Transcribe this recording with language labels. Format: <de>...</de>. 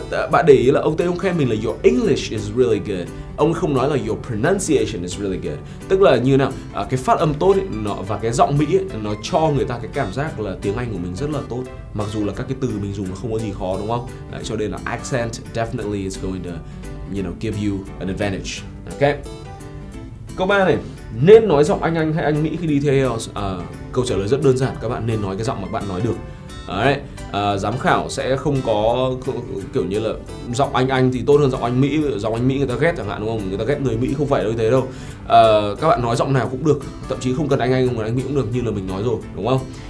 <vi>Bạn để ý là ông Tây ông khen mình là</vi> <en>your English is really good.</en> <vi>Ông không nói là</vi> <en>your pronunciation is really good.</en> <vi>Tức là như nào, cái phát âm tốt ấy, nó, và cái giọng Mỹ ấy, nó cho người ta cái cảm giác là tiếng Anh của mình rất là tốt. Mặc dù là các cái từ mình dùng nó không có gì khó, đúng không? Cho nên là</vi> <en>accent definitely is going to, you know, give you an advantage. Okay.</en> <vi>Câu 3 này, nên nói giọng Anh hay Anh Mỹ khi đi thi IELTS? Câu trả lời rất đơn giản, các bạn nên nói cái giọng mà bạn nói được. Đấy. Giám khảo sẽ không có kiểu như là giọng Anh thì tốt hơn giọng Anh Mỹ. Giọng Anh Mỹ người ta ghét chẳng hạn, đúng không? Người ta ghét người Mỹ, không phải như thế đâu. Các bạn nói giọng nào cũng được, thậm chí không cần Anh hoặc Anh Mỹ cũng được, như là mình nói rồi, đúng không?</vi>